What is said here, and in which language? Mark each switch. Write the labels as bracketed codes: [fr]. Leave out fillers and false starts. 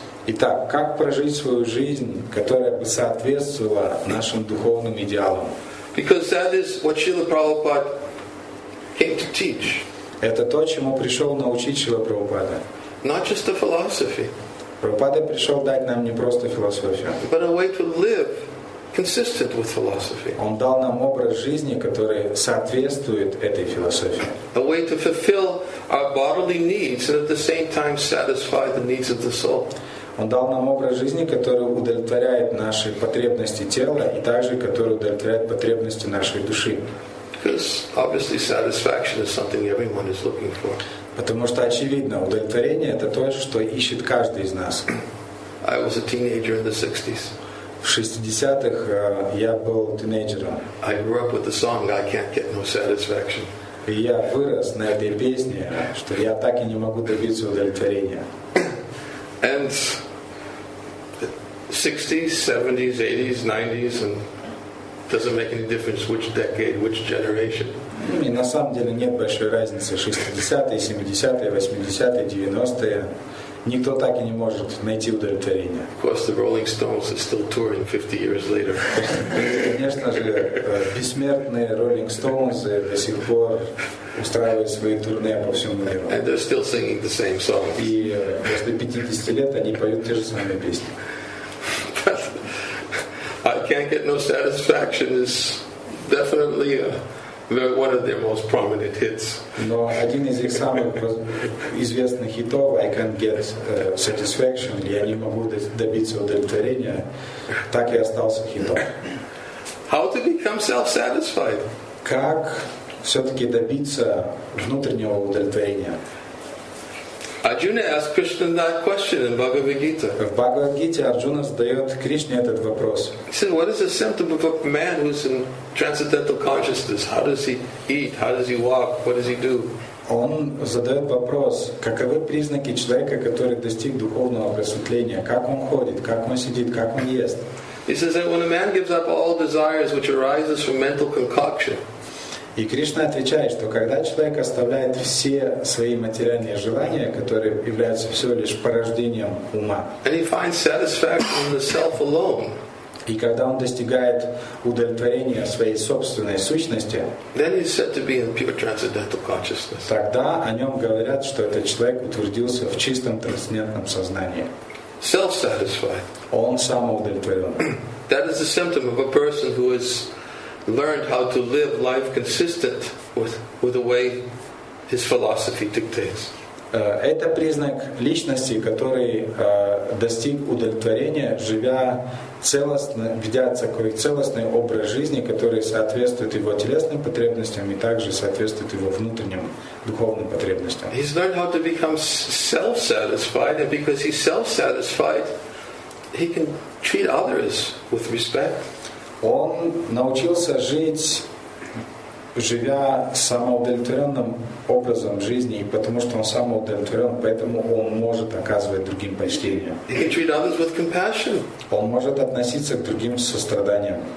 [ru] Итак, как прожить свою жизнь, которая бы соответствовала нашим духовным идеалам? [en] Because that is what Srila Prabhupada came to teach. [ru] Это то, чему пришел научить Шрила Прабхупада. [en] Not just the philosophy. [ru] Прабхупада пришел дать нам не просто философию. [en] But a way to live consistent with philosophy. [ru] Он дал нам образ жизни, который соответствует этой философии. [en] A way to fulfill our bodily needs and at the same time satisfy the needs of the soul. [ru] Он дал нам образ жизни, который удовлетворяет наши потребности тела и также который удовлетворяет потребности нашей души. [en] Because obviously satisfaction is something everyone is looking for. [ru] Потому что очевидно, удовлетворение — это то, что ищет каждый из нас. [en] I was a teenager in the 60s. [ru] В 60-х я был тинейджером. [en] I grew up with the song "I can't get no satisfaction". [ru] И я вырос на этой песне, что я так и не могу добиться удовлетворения. [en] And 60s, 70s, 80s, 90s, and doesn't make any difference which decade, which generation. И на самом деле нет большой разницы, 60-е, 70-е, 80-е, 90-е. [ru] Никто так и не может найти удовлетворение. [en] Of course, the Rolling Stones are still touring 50 years later. [ru] Конечно же, бессмертные Rolling Stones до сих пор устраивают свои турне по всему миру. [en] And they're still singing the same songs. [ru] И после 50 лет они поют те же самые песни. [en] I can't get no satisfaction is definitely one of their most prominent hits. [ru] Но один из их самых известных хитов [en] "I can't get satisfaction" [ru] или "Я не могу добиться удовлетворения" так и остался хитом. [en] How to become self-satisfied? [ru] Как все-таки добиться внутреннего удовлетворения? [en] Arjuna asked Krishna that question in Bhagavad Gita. [ru] В Бхагавад Гите Арджуна задает Кришне этот вопрос. [en] He said, "What is the symptom of a man who's in transcendental consciousness? How does he eat? How does he walk? What does he do?" [ru] Он задает вопрос: каковы признаки человека, который достиг духовного просветления? Как он ходит? Как он сидит? Как он ест? [en] He says that when a man gives up all desires which arises from mental concoction. [ru] И Кришна отвечает, что когда человек оставляет все свои материальные желания, которые являются всего лишь порождением ума, [en] and he finds satisfaction in the self alone, [ru] и когда он достигает удовлетворения своей собственной сущности, [en] then he's said to be in pure transcendental consciousness. [ru] Тогда о нем говорят, что этот человек утвердился в чистом трансцендентном сознании. [en] Self-satisfied. [ru] Он самоудовлетворен. [en] That is the symptom of a person who is learned how to live life consistent with the way his philosophy dictates. [ru] Это признак личности, который достиг удовлетворения, живя целостно, ведя такой целостный образ жизни, который соответствует его телесным потребностям и также соответствует его внутренним духовным потребностям. [en] He's learned how to become self-satisfied, and because he's self-satisfied, he can treat others with respect. [ru] Он научился жить, живя самоудовлетворенным образом жизни, и потому что он самоудовлетворен, поэтому он может оказывать другим почтение. [en] He can treat others with compassion. [ru] Он может относиться к другим с состраданием.